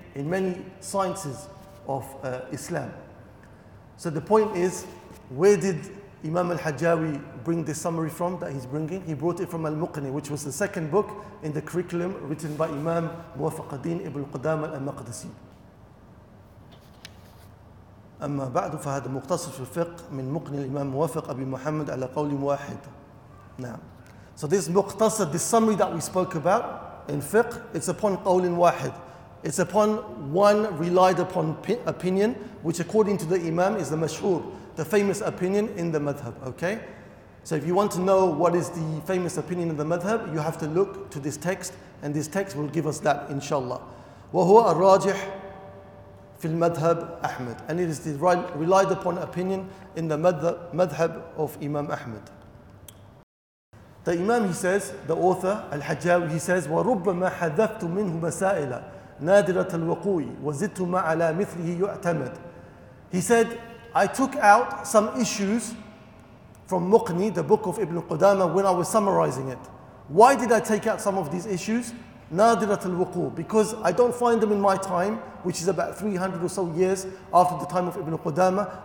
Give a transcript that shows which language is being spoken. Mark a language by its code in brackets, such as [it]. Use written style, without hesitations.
[en] In many sciences of Islam. So the point is, where did Imam Al-Hajawi bring this summary from that he's bringing? He brought it from Al-Muqni, which was the second book in the curriculum written by Imam Muwaffaq ad-Din Ibn Qudama Al-Maqdisi. [ar] أما بعد فهذا مقتصر في الفقه من مقنع الإمام موافق أبي محمد على قول واحد نعم. [en] So this مقتصر, this summary that we spoke about in fiqh, it's upon [ar] قول واحد. [en] It's upon one relied upon opinion, which according to the Imam is the mashhur, the famous opinion in the madhab. Okay? So if you want to know what is the famous opinion in the madhab, you have to look to this text, and this text will give us that, inshallah. [ar] وهو الراجح في المذهب أحمد. [en] And it is the relied upon opinion in the madhab of Imam Ahmed. The Imam, he says, [ar] the author, Al-Hajjawi, he says, وَرُبَّمَا حَذَفْتُ مِنْهُ مَسَائِلَ نَادِرَةَ الْوَقُوِي وَزِدْتُمَا عَلَى مِثْلِهِ يُعْتَمَدْ. [en] He said, I took out some issues from Muqni, the book of Ibn Qudama, when I was summarizing it. Why did I take out some of these issues? [ar] نَادِرَةَ الْوَقُوِي, [en] because I don't find them in my time, which is about 300 or so years after the time of Ibn Qudama.